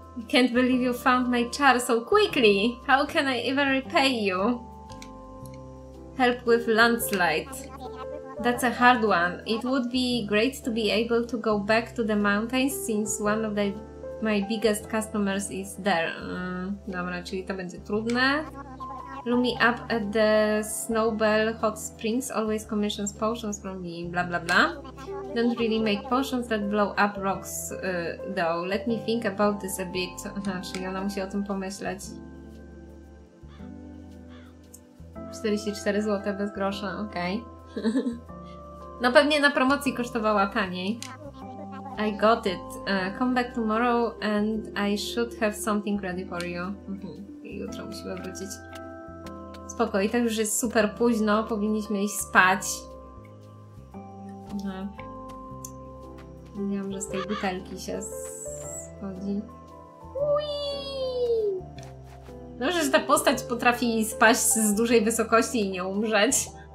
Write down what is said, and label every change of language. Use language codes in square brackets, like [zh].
[en] I can't believe you found my char so quickly. How can I ever repay you? Help with landslide. That's a hard one. It would be great to be able to go back to the mountains since one of my biggest customers is there. [pl] Dobra, czyli to będzie trudne. [en] Lumi up at the Snowbell Hot Springs always commissions potions from me, bla bla bla. Don't really make potions that blow up rocks, though. Let me think about this a bit. [pl] Aha, czyli ona musi o tym pomyśleć. 44 zł bez grosza, okej. Okay. No pewnie na promocji kosztowała taniej. [en] I got it. Come back tomorrow and I should have something ready for you. [pl] Jutro musimy wrócić. Spoko, i tak już jest super późno, powinniśmy iść spać. Wiem, że z tej butelki się schodzi. Dobrze, że ta postać potrafi spaść z dużej wysokości i nie umrzeć.